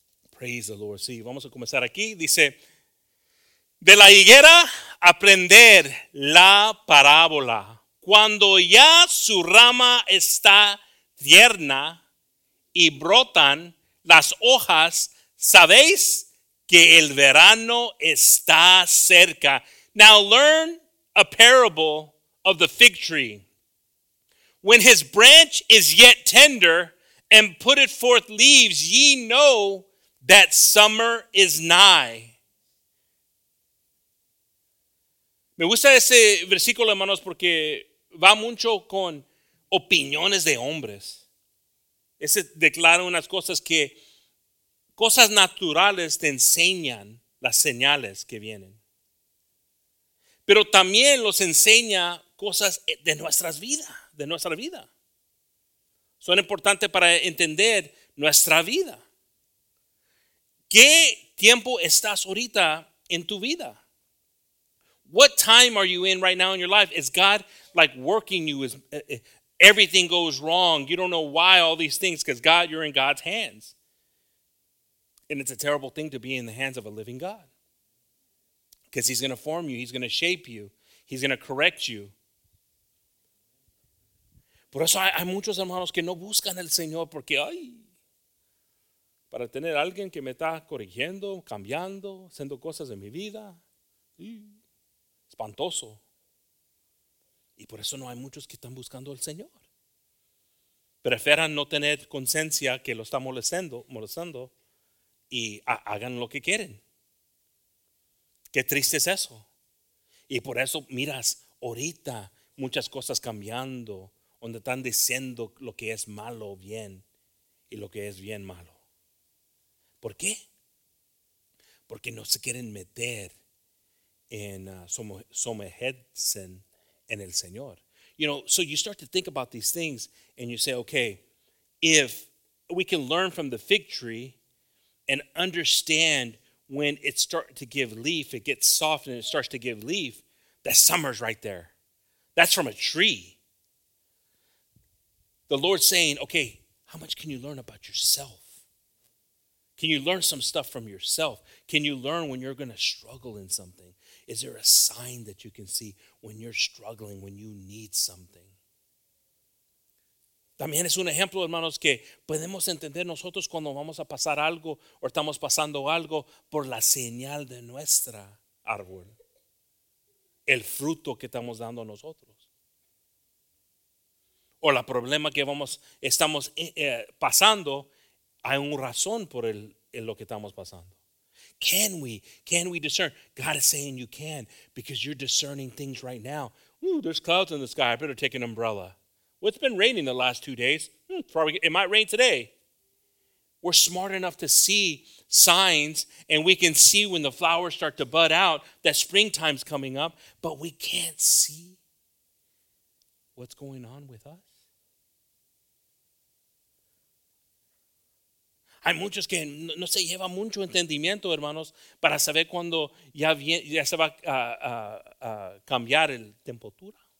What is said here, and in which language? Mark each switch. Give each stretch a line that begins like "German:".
English: Praise the Lord.
Spanish: Sí, vamos a comenzar aquí. Dice, de la higuera aprender la parábola. Cuando ya su rama está tierna y brotan las hojas, sabéis que el verano está cerca.
English: Now learn a parable of the fig tree. When his branch is yet tender and putteth forth leaves, ye know that summer is nigh.
Spanish: Me gusta ese versículo, hermanos, porque va mucho con opiniones de hombres. Ese declara unas cosas que cosas naturales te enseñan las señales que vienen. Pero también los enseña cosas de nuestras vidas, de nuestra vida. Son importantes para entender nuestra vida. ¿Qué tiempo estás ahorita en tu vida?
English: What time are you in right now in your life? Is God like working you? Is everything goes wrong? You don't know why all these things, because God, you're in God's hands. And it's a terrible thing to be in the hands of a living God, because he's going to form you. He's going to shape you. He's going to correct you.
Spanish: Por eso hay muchos hermanos que no buscan al Señor porque ay, para tener alguien que me está corrigiendo, cambiando, haciendo cosas en mi vida. Espantoso. Y por eso no hay muchos que están buscando al Señor. Prefieran no tener conciencia que lo está molestando y hagan lo que quieren. Qué triste es eso. Y por eso miras ahorita muchas cosas cambiando, donde están diciendo lo que es malo bien y lo que es bien malo. ¿Por qué? Porque no se quieren meter en sumergirse en el Señor.
English: You know, so you start to think about these things and you say, okay, if we can learn from the fig tree and understand when it starts to give leaf, it gets soft and it starts to give leaf, that summer's right there. That's from a tree. The Lord's saying, okay, how much can you learn about yourself? Can you learn some stuff from yourself? Can you learn when you're going to struggle in something? Is there a sign that you can see when you're struggling, when you need something?
Spanish: También es un ejemplo, hermanos, que podemos entender nosotros cuando vamos a pasar algo o estamos pasando algo por la señal de nuestra árbol, el fruto que estamos dando a nosotros. O la problema que estamos pasando, hay un razón por el lo que estamos pasando.
English: Can we discern? God is saying you can, because you're discerning things right now. Ooh, there's clouds in the sky. I better take an umbrella. Well, it's been raining the last 2 days. It might rain today. We're smart enough to see signs, and we can see when the flowers start to bud out that springtime's coming up, but we can't see what's going on with us.
Spanish: Hay muchos que no se lleva mucho entendimiento, hermanos, para saber cuando ya se va a cambiar el temperatura.